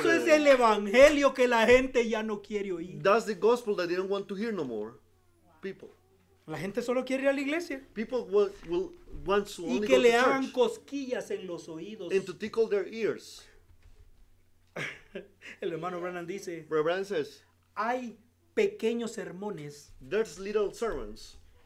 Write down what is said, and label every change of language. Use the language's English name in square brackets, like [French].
[Spanish] Eso es el evangelio que la gente ya no quiere oír. [English] That's the gospel that they don't want to hear no more. People. [Spanish] La gente solo quiere ir a la iglesia. [English] People will want to only [Spanish] y que [English] go [Spanish] le [English] to [Spanish] hagan [English] church. [Spanish] Cosquillas en los oídos. [English] And to tickle their ears. [Spanish] El hermano Brennan dice. [English] Brennan says. [Spanish] Hay pequeños sermones. [English] There's little sermons.